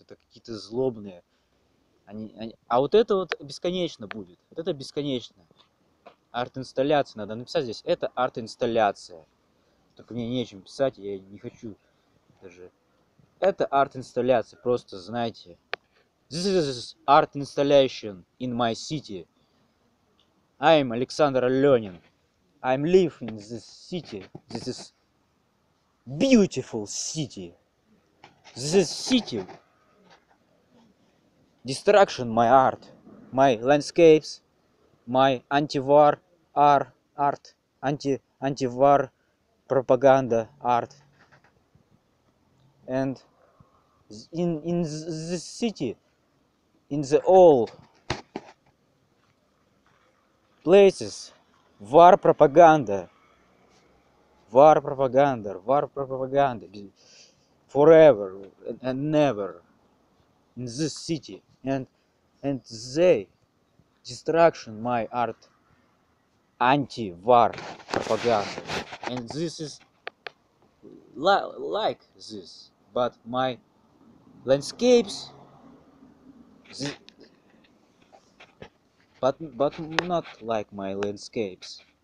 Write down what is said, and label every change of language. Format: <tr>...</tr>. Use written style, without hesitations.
<ru>Это какие-то злобные. А вот это вот бесконечно будет. Вот это бесконечно. Арт-инсталляция. Надо написать здесь. Это арт-инсталляция. Только мне нечем писать, я не хочу даже. Это арт-инсталляция, просто знаете.</ru> <en>This is art installation in my city. I'm Александр Ленин. I'm living in this city. This is beautiful city. This is city. Destruction my art. My landscapes. My anti-war art. Anti-war пропаганда арт. And in this city, in the all places, war пропаганда. War пропаганда, war пропаганда. Forever and never in this city. And they destruction my art anti-war пропаганда. And this is like this, but my landscapes, but not like my landscapes.</en>